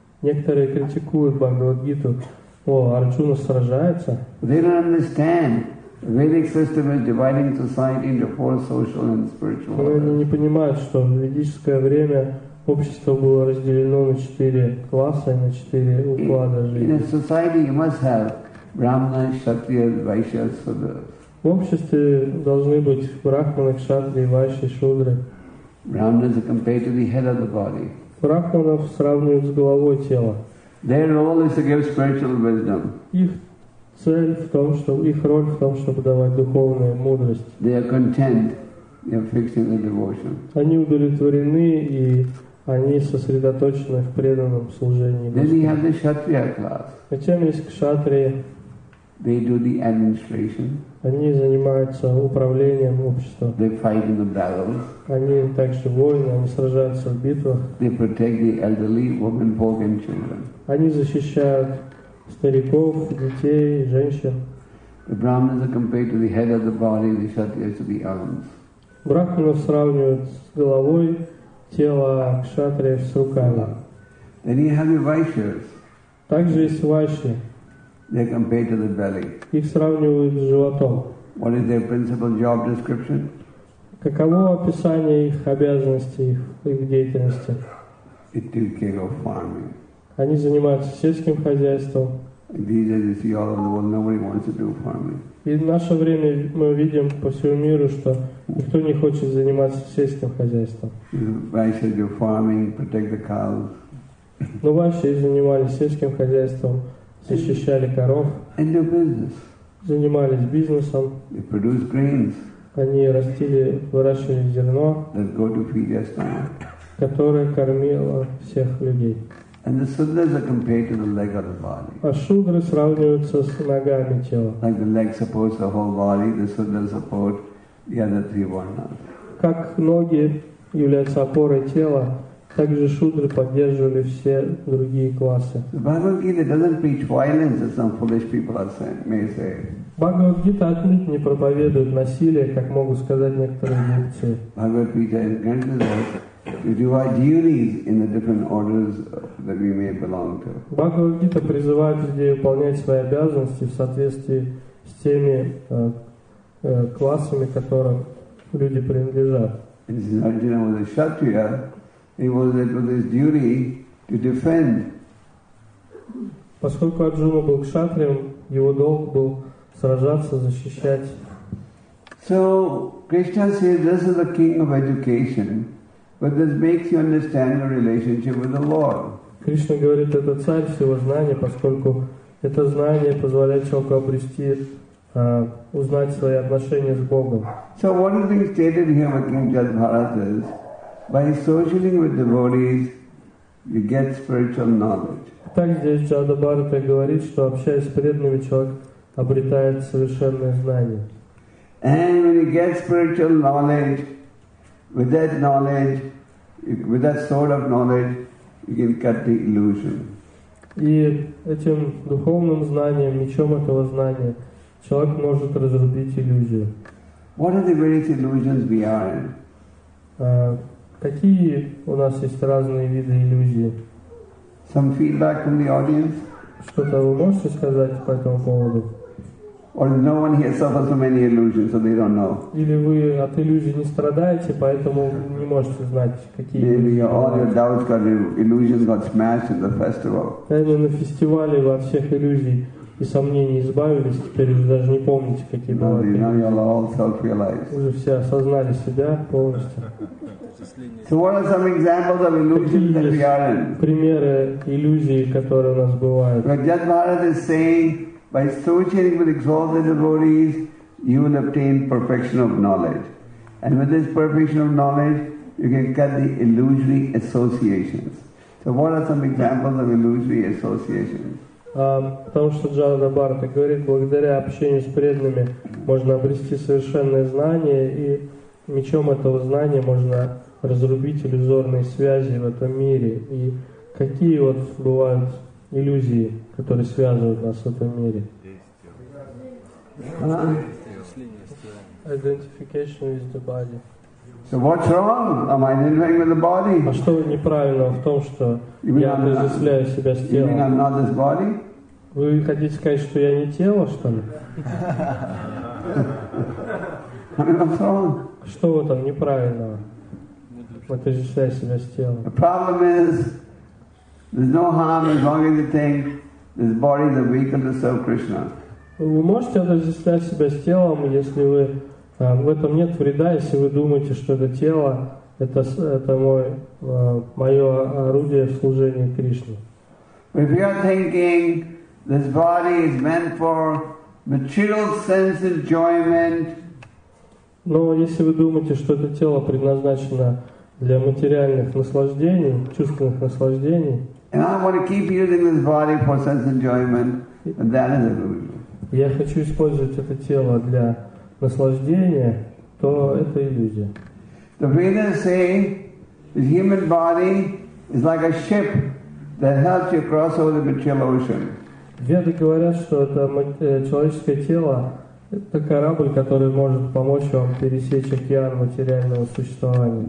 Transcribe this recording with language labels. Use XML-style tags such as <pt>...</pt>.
<ru>Некоторые критикуют Бхагавад Гиту. О, Арджуна сражается.</ru> <en>They don't understand Vedic system is dividing society into four social and spiritual.</en> <ru>Но они не понимают, что в ведическое время общество было разделено на четыре класса, на четыре уклада жизни.</ru> <en>In a society, you must have Brahmanas, Kshatriyas, Vaishyas.</en> <ru>В обществе должны быть Брахманы, Кшатри, Вайши, Шудры.</ru> <en>Brahmanas are compared to the head of the body.</en> <ru>Брахманов сравнивают с головой тела.</ru> <en>Their role is to give spiritual wisdom.</en> <ru>Их цель в том, что их роль в том, чтобы давать духовную мудрость.</ru> <en>They are content. They are fixed in the devotion.</en> <ru>Они удовлетворены и они сосредоточены в преданном служении.</ru> <en>Then we have the Kshatriya class.</en> <ru>Затем есть Кшатрия.</ru> <en>They do the administration.</en> <ru>Они занимаются управлением общества.</ru> <en>They fight in the battles.</en> <ru>Они также воины, они сражаются в битвах.</ru> <en>They protect the elderly, women, poor and children.</en> <ru>Они защищают стариков, детей, женщин.</ru> <en>The Brahmins are compared to the head of the body, the Kshatriyas to the arms.</en> <ru>Брахманов сравнивают с головой тело, кшатриев с руками.</ru> <en>Then you have the Vaishyas.</en> <ru>Также есть вайши.</ru> <en>They compare to the belly.</en> <ru>Их сравнивают с животом.</ru> <en>What is their principal job description?</en> <ru>Каково описание их обязанностей, их деятельности?</ru> <en>They take care of farming.</en> <ru>Они занимаются сельским хозяйством.</ru> <en>These are the CEOs of the world. Nobody wants to do farming.</en> <ru>И в наше время мы видим по всему миру, что никто не хочет заниматься сельским хозяйством.</ru> <en>Why should you farming, protect the cows?</en> <ru>Но ваши занимались сельским хозяйством. Защищали коров,</ru> <en>and their business.</en> <ru>Занимались бизнесом,</ru> <en>they produce grains.</en> <ru>Они растили, выращивали зерно,</ru> <en>that go to feed their stomach.</en> <ru>Которое кормило всех людей.</ru> <en>And the sudras are compared to the leg of the body.</en> <ru>А шудры сравниваются с ногами тела.</ru> <en>Like the leg supports the whole body, the sudras support the other three varnas.</en> <ru>Как ноги являются опорой тела, также шудры поддерживали все другие классы.</ru> <en>Бхагавад-гита doesn't preach violence, as some foolish people are saying, may say.</en> <ru>Бхагавад-гита отнюдь не проповедует насилие, как могут сказать некоторые лекции.</ru> <en>Бхагавад-гита encourages us to do our duties in the different orders that we may belong to.</en> <ru>Бхагавад-гита призывает людей выполнять свои обязанности в соответствии с теми классами, которым люди принадлежат.</ru> <en>Арджуна was a Kshatriya. It was his duty to defend.</en> <ru>Поскольку Арджуна был кшатрием, его долг был сражаться, защищать.</ru> <en>So Krishna says, "This is the king of education, but this makes you understand your relationship with the Lord."</en> <ru>Кришна говорит, это царь всего знания, поскольку это знание позволяет человеку обрести, узнать свои отношения с Богом.</ru> <en>So what is being stated here by King Jadbharata is. By associating with devotees, you get spiritual knowledge.</en> <ru>Так здесь Джадабхарата говорит, что общаясь с преданными, человек обретает совершенное знание.</ru> <en>And when you get spiritual knowledge, with that knowledge, with that sort of knowledge, you can cut the illusion.</en> <ru>И этим духовным знанием, мечом этого знания, человек может разрубить иллюзию.</ru> <en>What are the various illusions we are in?</en> <ru>Какие у нас есть разные виды иллюзий?</ru> <en>Some feedback from the audience?</en> <ru>Что-то вы можете сказать по этому поводу?</ru> <en>Or no one here suffers from any illusions, so they don't know.</en> <ru>Или вы от иллюзий не страдаете, поэтому не можете знать, какие</ru> <en>Maybe</en> <ru>иллюзии.</ru> <en>Maybe all your doubts got illusions got smashed in the festival.</en> <ru>Наверное, на фестивале во всех иллюзий и сомнений избавились, теперь вы даже не помните, какие</ru> <en>no,</en> <ru>были.</ru> <en>Now you all self-realized.</en> <ru>Уже все осознали себя полностью.</ru> <en>So what are some examples of illusions that we are in?</en> <ru>Примеры иллюзий, которые у нас бывают.</ru> <en>Jadbharata is saying, by associating with exalted devotees, you will obtain perfection of knowledge. And with this perfection of knowledge, you can cut the illusory associations. So what are some examples of illusory associations?</en> <ru>Потому что Jadbharata говорит, благодаря общению с преданными можно обрести совершенное знание, и мечом этого знания можно разрубить иллюзорные связи в этом мире. И какие вот бывают иллюзии, которые связывают нас в этом мире?</ru> <en>Identification with the body. So what's wrong? Am I identifying with the body?</en> <ru>А что неправильного в том, что я отождествляю себя с телом?</ru> <en>You mean I'm not this body?</en> <ru>Вы хотите сказать, что я не тело, что ли? Что в этом неправильного? Вот ты же считаешь себя с телом.</ru> <en>The problem is, there's no harm as long as you think this body is a vehicle to serve Krishna.</en> <ru>Вы можете отождествлять себя с телом, если вы в этом нет вреда, если вы думаете, что это тело, это мой мое орудие служения Кришне.</ru> <en>If you are thinking this body is meant for material sense enjoyment.</en> <ru>Но если вы думаете, что это тело предназначено для материальных наслаждений, чувственных наслаждений,</ru> <en>and I want to keep using this body for sense enjoyment, and that is illusion.</en> <ru>Я хочу использовать это тело для наслаждения, то это иллюзия.</ru> <en>The Vedas say the human body is like a ship that helps you cross over the material ocean.</en> <ru>Веды говорят, что это человеческое тело это корабль, который может помочь вам пересечь океан материального существования.</ru>